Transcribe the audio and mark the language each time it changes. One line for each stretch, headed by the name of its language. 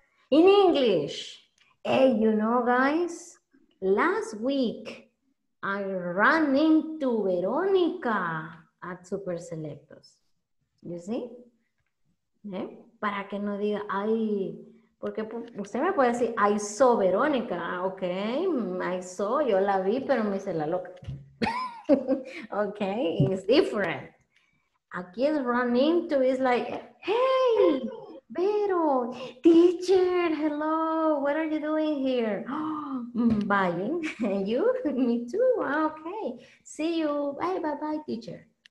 English: In English, hey, you know, guys, last week I ran into Verónica at super selectos, you see, ¿eh?
Spanish: Para que no diga, ay, porque usted me puede decir,
English: I saw Verónica, ok, I saw,
Spanish: yo la vi, pero me hice la loca.
English: Ok, it's different.
Spanish: Aquí es
English: run into, it's like, hey, Vero, teacher, hello, what are you doing here? Buying, and you, me too, ok, see you, bye, bye, bye, teacher.